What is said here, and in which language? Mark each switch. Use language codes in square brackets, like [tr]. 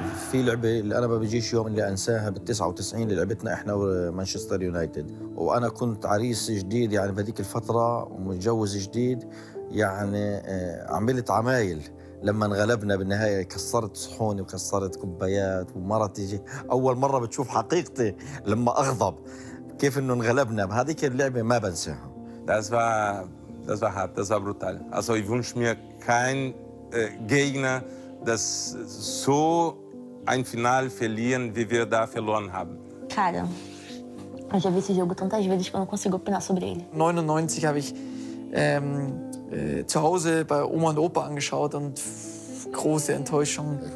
[ar] في لعبه اللي انا ما بجيش يوم اللي انساها بال 99 اللي لعبتنا احنا ومانشستر يونايتد وانا كنت عريس جديد يعني بهذيك الفتره ومتجوز جديد يعني عملت عمايل لما انغلبنا بالنهايه كسرت صحوني وكسرت كوبايات ومرتي اول مره بتشوف حقيقتي لما اغضب كيف انه انغلبنا بهذيك اللعبه ما بنساها [de] das war hart das war brutal also ich wünsch mir kein Gegner das so ein Finale verlieren, wie wir da verloren haben. [pt] Cara, eu já vi esse jogo tantas vezes que eu não consigo opinar sobre ele. [de] 99 habe ich zu Hause bei Oma und Opa angeschaut und große Enttäuschung.